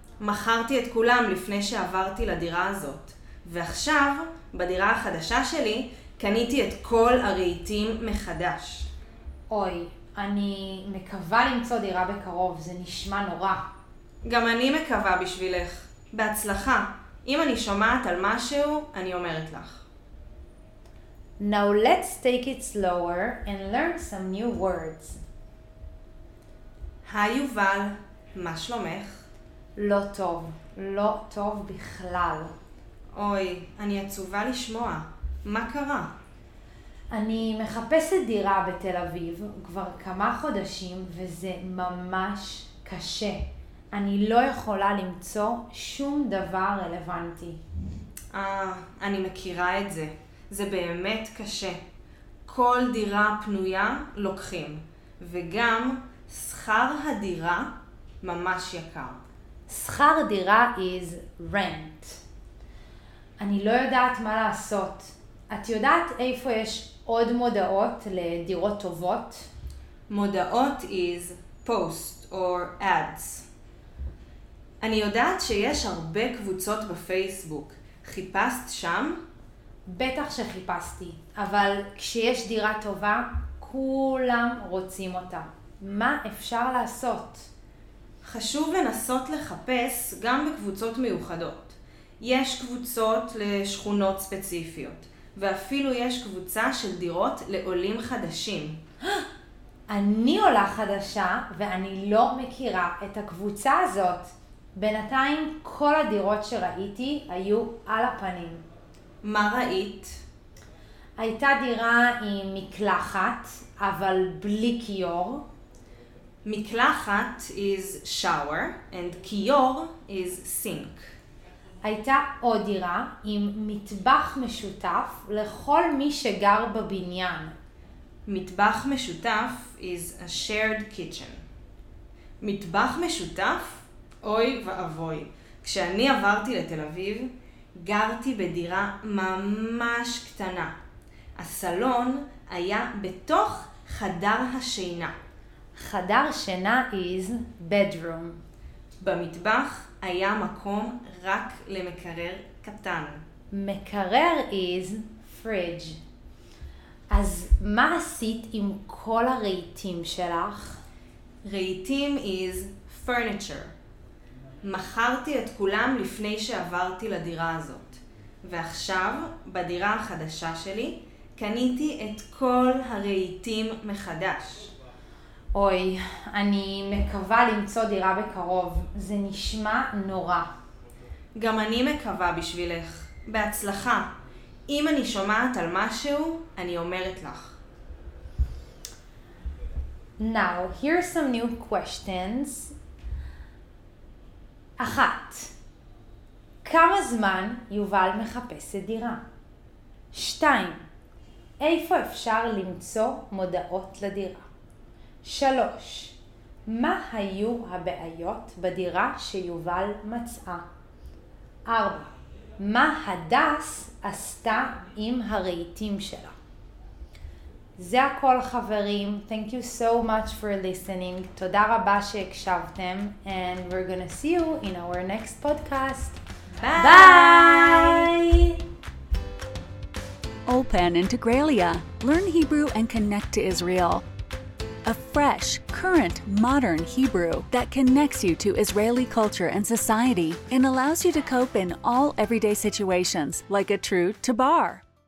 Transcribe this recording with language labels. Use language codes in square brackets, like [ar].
[he] מכרתי את כולם לפני שעברתי לדירה הזאת. ועכשיו, בדירה החדשה שלי, קניתי את כל הרהיטים מחדש. אוי, אני מקווה למצוא דירה בקרוב, זה נשמע נורא. גם אני מקווה בשבילך. בהצלחה. אם אני שומעת על משהו, אני אומרת לך. [en] Now let's take it slower and learn some new words. [he] היי יובל, מה שלומך? לא טוב, לא טוב בכלל. אוי, אני עצובה לשמוע. מה קרה? אני מחפשת דירה בתל אביב כבר כמה חודשים וזה ממש קשה. אני לא יכולה למצוא שום דבר רלוונטי. אני מכירה את זה. זה באמת קשה. כל דירה פנויה לוקחים. וגם שכר הדירה ממש יקר. שכר דירה [en] is rent. [he] אני לא יודעת מה לעשות. את יודעת איפה יש עוד מודעות לדירות טובות? [en] מודעות is post or ads. [he] אני יודעת שיש הרבה קבוצות בפייסבוק. חיפשת שם? בטח שחיפשתי, אבל כשיש דירה טובה, כולם רוצים אותה. מה אפשר לעשות? חשוב לנסות לחפש גם בקבוצות מיוחדות. יש קבוצות לשכונות ספציפיות, ואפילו יש קבוצה של דירות לעולים חדשים. אני עולה חדשה ואני לא מכירה את הקבוצה הזאת. בינתיים כל הדירות שראיתי היו על הפנים. מה ראית? הייתה דירה עם מקלחת, אבל בלי קיור. [en] מקלחת is shower and קיור is sink. [he] הייתה עוד דירה עם מטבח משותף לכל מי שגר בבניין. מטבח משותף [en] is a shared kitchen. [he] מטבח משותף? אוי ואבוי, כשאני עברתי לתל אביב, גרתי בדירה ממש קטנה. הסלון היה בתוך חדר השינה. [en] חדר שינה is bedroom. [he] במטבח היה מקום רק למקרר קטן. [en] מקרר is fridge. [he] אז מה עשית עם כל הרהיטים שלך? [en] רהיטים is furniture. [he] מכרתי את כולם לפני שעברתי לדירה הזאת. ועכשיו, בדירה החדשה שלי, קניתי את כל הרהיטים מחדש. אוי, אני מקווה למצוא דירה בקרוב. זה נשמע נורא. גם אני מקווה בשבילך. בהצלחה. אם אני שומעת על משהו, אני אומרת לך. [en] Now, here are some new questions. [he] אחת. כמה זמן יובל מחפש את דירה? שתיים. איפה אפשר למצוא מודעות לדירה? שלוש. מה היו הבעיות בדירה שיובל מצאה? ארבע. מה הדס עשתה עם הרהיטים שלה? זה הכל חברים. [en] Thank you so much for listening. [he] תודה רבה שהקשבתם. [en] And we're gonna see you in our next podcast. Bye! Bye. Ulpan Integraliah. Learn Hebrew and connect to Israel. A fresh, current, modern Hebrew that connects you to Israeli culture and society and allows you to cope in all everyday situations like a true tabar.